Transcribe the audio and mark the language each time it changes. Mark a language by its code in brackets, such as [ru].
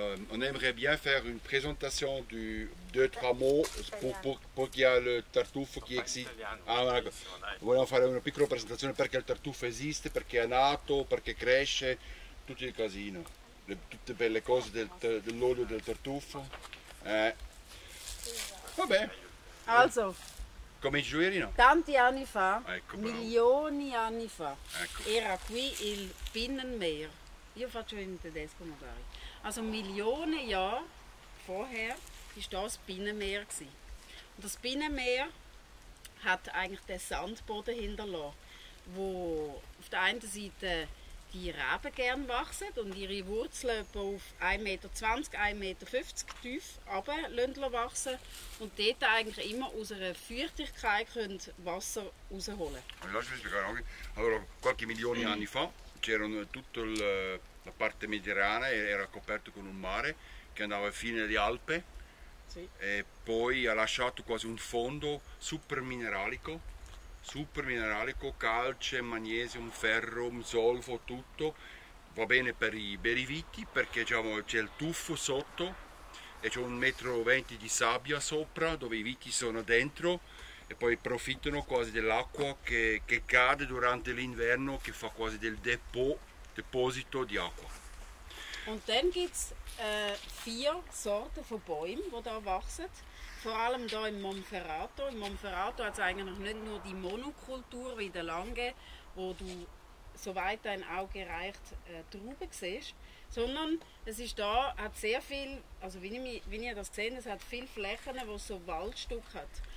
[fr] On aimerait bien faire une présentation du deux trois mots pour qu'il y a le tartufo qui existe. [it] Vogliamo fare una piccola presentazione perché il tartufo esiste, perché è nato, perché cresce, tutto il casino, tutte belle cose dell'olio del tartufo. Vabbè. [de] Also. [it] Come in Giuirino? Tanti anni fa, milioni anni fa, era qui il Binnenmeer. Io faccio in tedesco magari. [de] Also [it] milioni di anni [de] vorher war das Binnenmeer. Und das Binnenmeer hat eigentlich den Sandboden hinterlassen, wo auf der einen Seite die Reben gerne wachsen und ihre Wurzeln auf 1,20 m, 1,50 m tief runter wachsen und dort eigentlich immer aus einer Feuchtigkeit können Wasser rausholen. Lass mich sagen, [it] allora, qualche milioni anni fa c'era tutta la parte mediterranea era coperta con un mare che andava fino alle Alpi e poi ha lasciato quasi un fondo super mineralico, calce, magnesio, ferro, zolfo, tutto va bene per i beriviti perché diciamo, c'è il tuffo sotto e c'è 1,20 m di sabbia sopra dove i viti sono dentro e poi approfittano quasi dell'acqua che cade durante l'inverno che fa quasi del deposito di acqua. [de] Und dann gibt es vier Sorten von Bäumen, die hier wachsen. Vor allem hier im Monferrato. Im Monferrato hat es eigentlich nicht nur die Monokultur wie der Lange, wo du soweit dein Auge reicht, Trauben siehst, sondern es ist da, hat sehr viel, also wie ihr das seht, es hat viele Flächen, wo es so Waldstücke hat.